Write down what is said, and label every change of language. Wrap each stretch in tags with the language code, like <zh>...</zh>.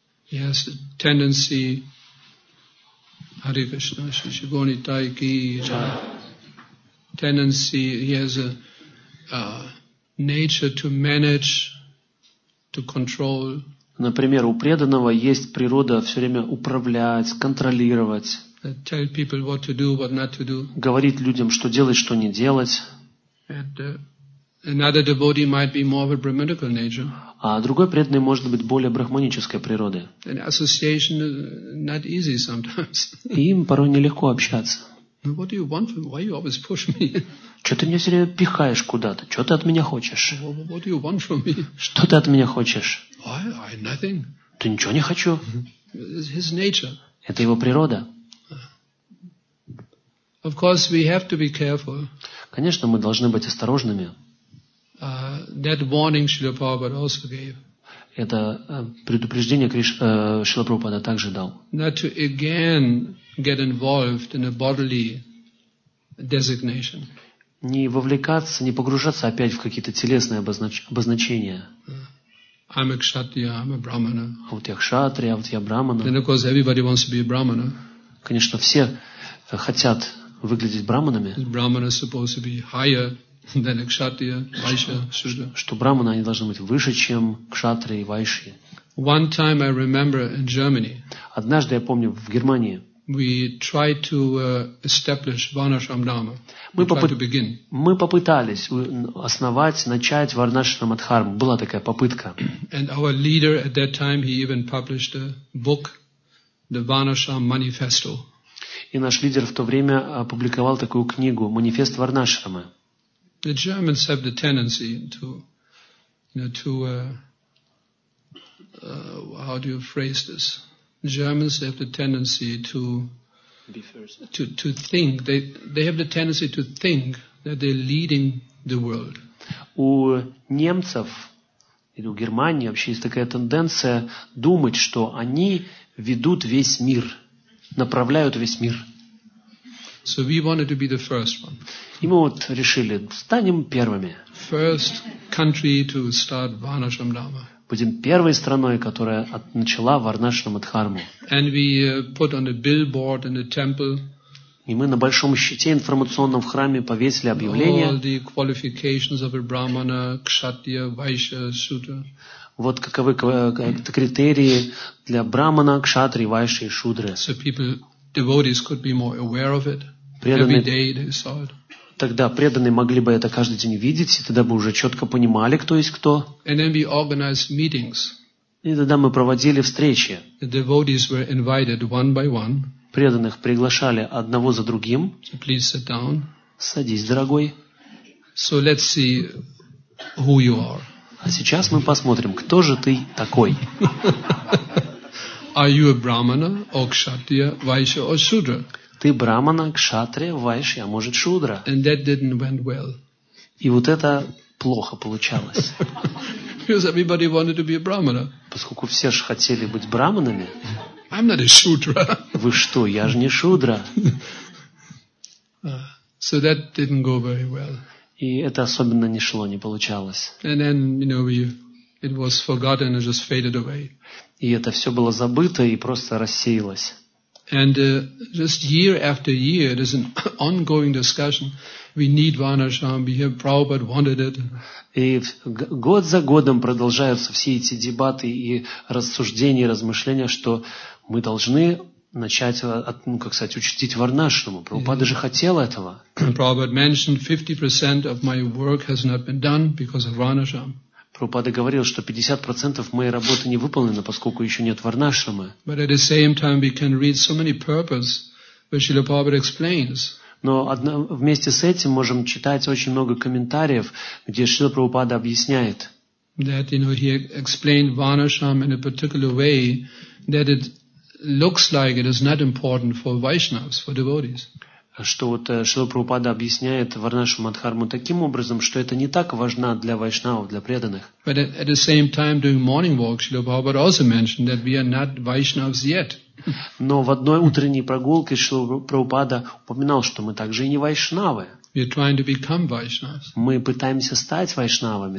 <en>Yes, tendency. Hare Krishna, Shishigoni Tai Ki tendency, he has a nature to manage, to control.</en> <ru>Например, у преданного есть природа все время управлять, контролировать.</ru> <en>tell people what to do, what not to do.</en> <ru>Говорит людям, что делать, что не делать.</ru> <en>And another devotee might be more of a brahmanical nature.</en> <ru>А другой преданный может быть более брахманической природы.</ru> <en>And association is not easy sometimes.</en> <ru>И им порой нелегко общаться.</ru> <en>What do you want from me? Why you always push me?</en> <ru>Что ты меня все время пихаешь куда-то? Что ты от меня хочешь?</ru> <en>What do you want from me?</en> <ru>Что ты от меня хочешь?</ru> <en>I nothing.</en> <ru>Ты ничего не хочу.</ru> <en>It's his nature.</en> <ru>Это его природа.</ru> <en>Of course, we have to be careful.</en> <ru>Конечно, мы должны быть осторожными.</ru> <en>That warning Srila Prabhupada also gave.</en> <ru>Это предупреждение Шрила Прабхупада также дал.</ru> <en>Not to again get involved in a bodily designation.</en> <ru>Не вовлекаться, не погружаться опять в какие-то телесные обозначения.</ru> <en>I'm a kshatriya, I'm a brahmana.</en> <ru>А вот я кшатрия, а вот я брахмана.</ru> <en>Then of course everybody wants to be a brahmana.</en> <ru>Конечно, все хотят выглядеть брахманами.</ru> <en>Brahmana is supposed to be higher. Then кшатрия, вайшья, шудра.</en> <ru>Что брахманы, они должны быть выше, чем кшатрии и вайшьи.</ru> <en>One time I remember in Germany.</en> <ru>Однажды я помню в Германии.</ru> <en>We tried to establish Varnashram Dharma.</en> <ru>Мы попытались основать, начать Варнашрам Дхарму. Была такая попытка.</ru> <en>And our leader at that time he even published a book, the Varnashram Manifesto.</en> <ru>И наш лидер в то время опубликовал такую книгу «Манифест Варнашрама».</ru> <en>The Germans have the tendency to, how do you phrase this? The Germans have the tendency to, be first. To think. They have the tendency to think that they're leading the world.</en> <ru>У немцев или у Германии вообще есть такая тенденция думать, что они ведут весь мир, направляют весь мир.</ru> <en>So we wanted to be the first one.</en> <ru>И мы вот решили, станем первыми.</ru> <en>First country to start Varnashram Dharma.</en> <ru>Будем первой страной, которая начала Варнашрам Дхарму.</ru> <en>And we put on a billboard in the temple.</en> <ru>И мы на большом щите информационном в храме повесили объявление.</ru> <en>All the qualifications of a brahmana, kshatriya, vaishya, shudra.</en> <ru>Вот каковы критерии для брахмана, кшатри, вайши и шудры.</ru> <en>So people, devotees could be more aware of it. Every day they saw it.</en> <ru>Тогда преданные могли бы это каждый день видеть, и тогда бы уже четко понимали, кто есть кто.</ru> <en>And then we organized meetings.</en> <ru>И тогда мы проводили встречи.</ru> <en>The devotees were invited one by one.</en> <ru>Преданных приглашали одного за другим.</ru> <en>So please sit down.</en> <ru>Садись, дорогой.</ru> <en>So let's see who you are.</en> <ru>А сейчас мы посмотрим, кто же ты такой.</ru> <en>Are you a brahmana, or kshatriya, vaishya, or shudra?</en> <ru>Ты брахмана, кшатрия, вайшья, а может шудра.</ru> <en>And that didn't went well.</en> <ru>И вот это плохо получалось.</ru> <en>Because everybody wanted to be a brahmana.</en> <ru>Поскольку все же хотели быть брахманами.</ru> <en>I'm not a shudra.</en> <ru>Вы что, я же не шудра.</ru> <en>So that didn't go very well.</en> <ru>И это особенно не шло, не получалось.</ru> <en>And then, you know, it was forgotten and just faded away.</en> <ru>И это все было забыто и просто рассеялось.</ru> <en>And just year after year, there's an ongoing discussion. We need Varnashram. We have Prabhupada wanted it.</en> <ru>И год за годом продолжаются все эти дебаты и рассуждения, размышления, что мы должны начать, ну, как сказать, учредить Варнашраму. Прабхупада же хотел этого.</ru> <en>Prabhupada mentioned 50% of my work has not been done because of Varnashram.</en> <ru>Прабхупада говорил, что 50% моей работы не выполнено, поскольку еще нет Варнашрамы. Но вместе с этим можем читать очень много комментариев, где Шрила Прабхупада объясняет,</ru> <en>that, you know, he explained Varnashram in a particular way that it looks like it is not important for Vaishnavas, for devotees.</en> <ru>Что вот Шрила Прабхупада объясняет Варнашраму Дхарму таким образом, что это не так важно для вайшнавов, для преданных.</ru> <en>But at the same time during morning walk, Шрила Прабхупада also mentioned that we are not Vaishnavas yet.</en> <ru>Но в одной утренней прогулке Шрила Прабхупада упоминал, что мы также и не вайшнавы.</ru> <en>We are trying to become Vaishnavas.</en> <ru>Мы пытаемся стать вайшнавами.</ru>